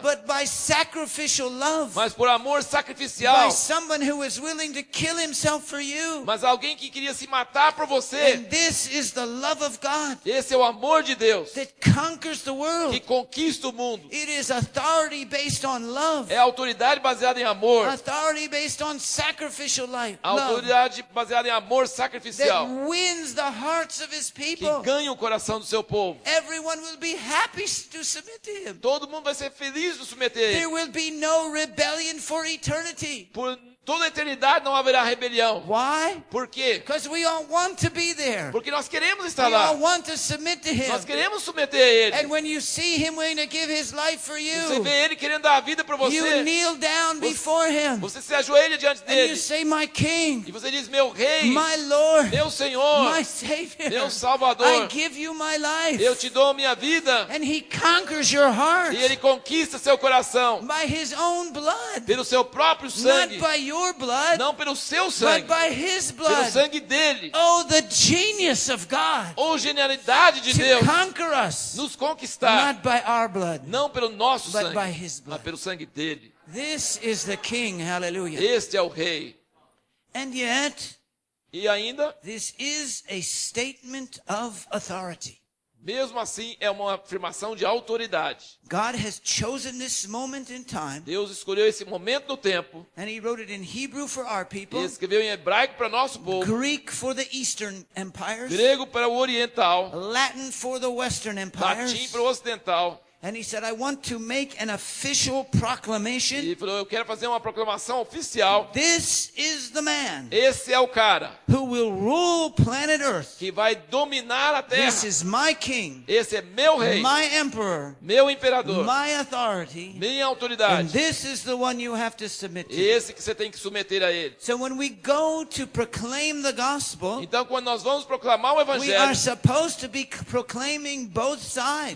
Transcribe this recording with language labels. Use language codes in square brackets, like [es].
[en] but by sacrificial love, [pt] mas por amor sacrificial, [en] by someone who was willing to kill himself for you, [pt] mas alguém que queria se matar por você. [en] And this is the love of God, [pt] esse é o amor de Deus, [en] that conquers the world, [pt] que conquista o mundo. [en] It is authority based on love, [pt] é autoridade baseada em amor, [en] authority based on sacrificial life, [pt] autoridade baseada em amor sacrificial. [en] That wins the hearts of his people. [pt] Que ganha o coração do seu povo. [en] Everyone will be happy to submit to him. [pt] Todo mundo vai ser feliz de submeter a ele. [en] There will be no rebellion for eternity. [pt] Por toda a eternidade não haverá rebelião. [en] Why? [pt] Por quê? [en] Because we all want to be there. [pt] Porque nós queremos estar [en] we [pt] lá. [en] We all want to submit to him. [pt] Nós queremos submeter a ele. [en] And when you see him willing to give his life for you, [pt] você vê ele querendo dar a vida para você. [en] You kneel down before him. [pt] Você se ajoelha diante dele. [en] And you say, my king. [pt] E você diz, meu rei. [en] My Lord. [pt] Meu Senhor. [en] My Savior. [pt] Meu Salvador. [en] I give you my life. [pt] Eu te dou minha vida. [en] And he conquers your heart. [pt] E ele conquista seu coração. [en] By his own blood. [pt] Pelo seu próprio sangue. [en] Not by your blood, [pt] não pelo seu sangue, [en] but by his blood. [pt] Pelo sangue dele. [en] Oh, the genius of God. [pt] Oh, genialidade de Deus. [en] To conquer us. [pt] Nos conquistar. [en] Not by our blood. [pt] Não pelo nosso [en] but [pt] sangue, [en] by his blood. [pt] Mas pelo sangue dele. [en] This is the king, hallelujah. [pt] Este é o rei. [en] And yet, [pt] e ainda, [en] this is a statement of authority. [pt] Mesmo assim, é uma afirmação de autoridade. [en] God has chosen this moment in time, [pt] Deus escolheu esse momento no tempo. [en] And he wrote it in Hebrew for our people, [pt] e escreveu em hebraico para nosso povo. [en] Greek for the Eastern empires, [pt] grego para o oriental. [en] Latin for the Western empires, [pt] latim para o ocidental. [en] And he said, I want to make an official proclamation. [pt] E falou, eu quero fazer uma proclamação oficial. [en] This is the man. [pt] Esse é o cara. [en] Who will rule planet Earth. [pt] Que vai dominar a Terra. [en] This is my king. [pt] Esse é meu rei. [en] My emperor. [pt] Meu imperador. [en] My authority. [pt] Minha autoridade. [en] And this is the one you have to submit to. [pt] Esse que você tem que submeter a ele. [en] So when we go to proclaim the gospel. [pt] Então quando nós vamos proclamar o evangelho. [en] We are supposed to be proclaiming both sides.